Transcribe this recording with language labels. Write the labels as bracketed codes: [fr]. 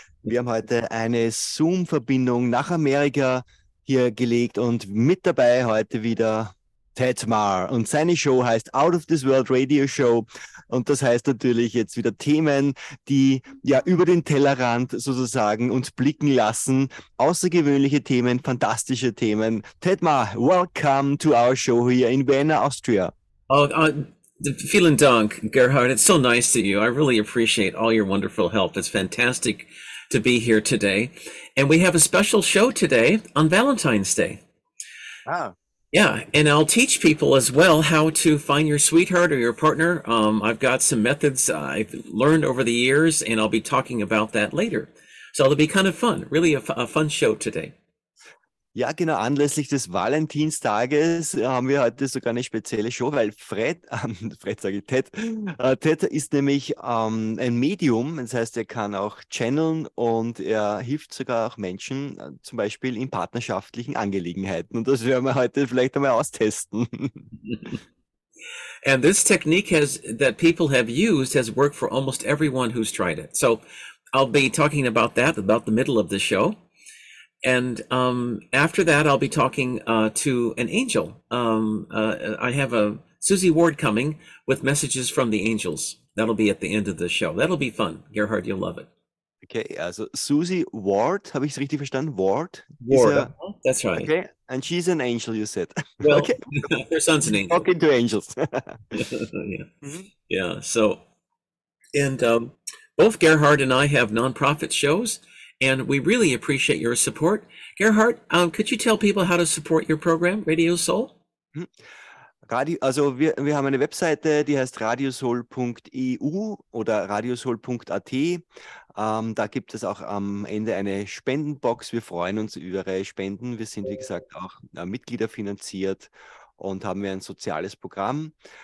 [de] Wir haben heute eine Zoom-Verbindung nach Amerika hier gelegt und mit dabei heute wieder Ted Mar. Und seine Show heißt Out of This World Radio Show. Und das heißt natürlich jetzt wieder Themen, die ja über den Tellerrand sozusagen uns blicken lassen. Außergewöhnliche Themen, fantastische Themen. [en] Ted Mar, welcome to our show here in Vienna, Austria. [de] Vielen Dank, [en] Gerhard. It's so nice to you. I really appreciate all your wonderful help. It's fantastic to be here today. And we have a special show today on Valentine's Day. Ah. Yeah, and I'll teach people as well how to find your sweetheart or your partner. I've got some methods I've learned over the years, and I'll be talking about that later. So it'll be kind of fun, really a fun show today. [de] Ja, genau, anlässlich des Valentinstages haben wir heute sogar eine spezielle Show, weil Ted ist nämlich ein Medium, das heißt, er kann auch channeln und er hilft sogar auch Menschen, zum Beispiel in partnerschaftlichen Angelegenheiten. Und das werden wir heute vielleicht einmal austesten. [en] And this technique that people have used has worked for almost everyone who's tried it. So I'll be talking about that, about the middle of the show. And after that, I'll be talking to an angel. I have a Susie Ward coming with messages from the angels. That'll be at the end of the show. That'll be fun. Gerhard, you'll love it. [de] Okay, also Susie Ward, habe ich es richtig verstanden? Ward? [en] Ward, that's right. Okay, and she's an angel, you said. Well, okay. Her son's an angel. Talking to angels. Yeah. Yeah, so, and both Gerhard and I have nonprofit shows. And we really appreciate your support. Gerhard, could you tell people how to support your program, Radio Soul? [de] Also wir haben eine Webseite, die heißt radiosoul.eu oder radiosoul.at. Da gibt es auch am Ende eine Spendenbox. Wir freuen uns über Spenden. Wir sind, wie gesagt, auch Mitglieder finanziert und haben ein soziales Programm.